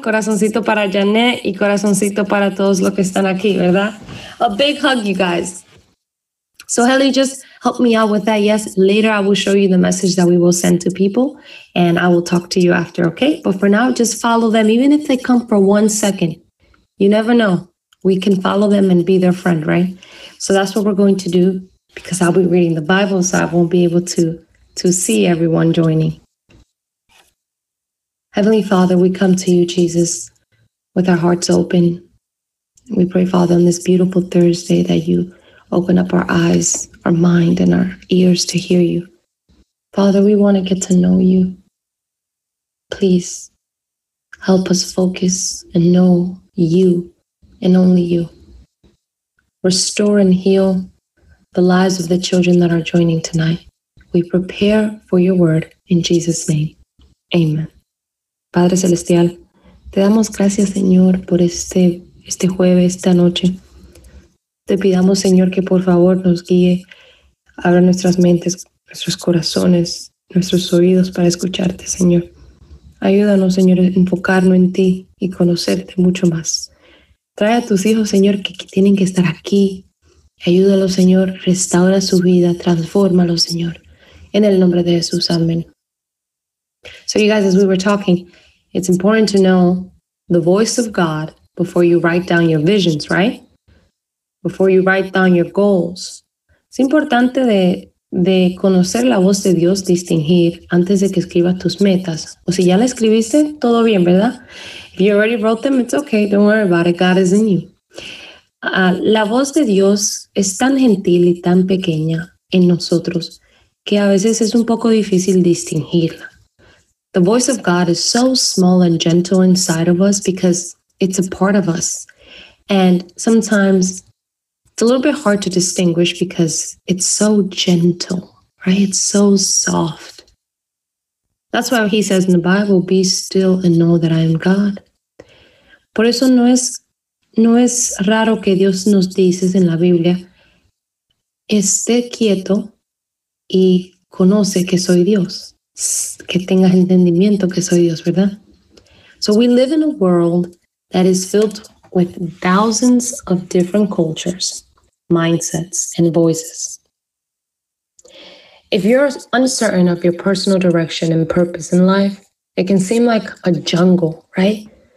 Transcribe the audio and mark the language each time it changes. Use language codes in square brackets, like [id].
[es] Corazoncito para Janet y corazoncito para todos los que están aquí, ¿verdad? [en] A big hug, you guys. So, Heli, just help me out with that. Yes, later I will show you the message that we will send to people and I will talk to you after, okay? But for now, just follow them, even if they come for 1 second. You never know. We can follow them and be their friend, right? So that's what we're going to do because I'll be reading the Bible, so I won't be able to see everyone joining. Heavenly Father, we come to you, Jesus, with our hearts open. We pray, Father, on this beautiful Thursday that you open up our eyes, our mind, and our ears to hear you. Father, we want to get to know you. Please help us focus and know you and only you. Restore and heal the lives of the children that are joining tonight. We prepare for your word in Jesus' name. Amen. [es] Padre Celestial, te damos gracias, Señor, por este jueves, esta noche. Te pidamos, Señor, que por favor nos guíe, abra nuestras mentes, nuestros corazones, nuestros oídos para escucharte, Señor. Ayúdanos, Señor, a enfocarnos en ti y conocerte mucho más. Trae a tus hijos, Señor, que tienen que estar aquí. Ayúdalos, Señor. Restaura su vida. Transfórmalos, Señor. En el nombre de Jesús. Amén. [en] So you guys, as we were talking, it's important to know the voice of God before you write down your visions, right? Before you write down your goals. [es] Es importante de conocer la voz de Dios, distinguir, antes de que escribas tus metas. O si ya la escribiste, todo bien, ¿verdad? [en] If you already wrote them, it's okay, don't worry about it, God is in you. [es] La voz de Dios es tan gentil y tan pequeña en nosotros que a veces es un poco difícil distinguirla. [en] The voice of God is so small and gentle inside of us because it's a part of us. And sometimes it's a little bit hard to distinguish because it's so gentle, right? It's so soft. That's why he says in the Bible, be still and know that I am God. [es] Por eso no es raro que Dios nos dice en la Biblia, esté quieto y conoce que soy Dios. Que tengas entendimiento que soy Dios, ¿verdad? [en] So we live in a world that is filled with thousands of different cultures, mindsets, and voices. If you're uncertain of your personal direction and purpose in life, it can seem like a jungle, right?